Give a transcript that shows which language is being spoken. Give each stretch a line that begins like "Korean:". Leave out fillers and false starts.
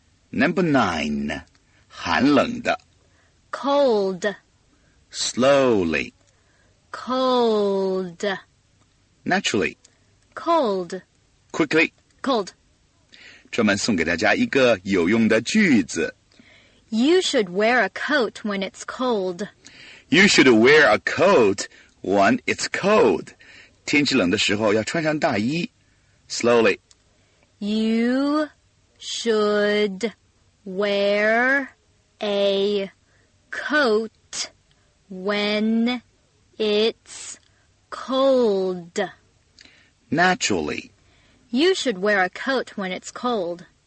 English: Number nine, 寒冷的 Cold. Slowly. Cold. Naturally. Cold. Quickly. Cold.
Chinese: 专门送给大家一个有用的句子。
English: You should wear a coat when it's cold. You should wear a coat when it's cold.
Chinese: 天气冷的时候要穿上大衣。
English: Slowly. You should wear a coat when it's cold. Naturally. You should wear a coat when it's cold.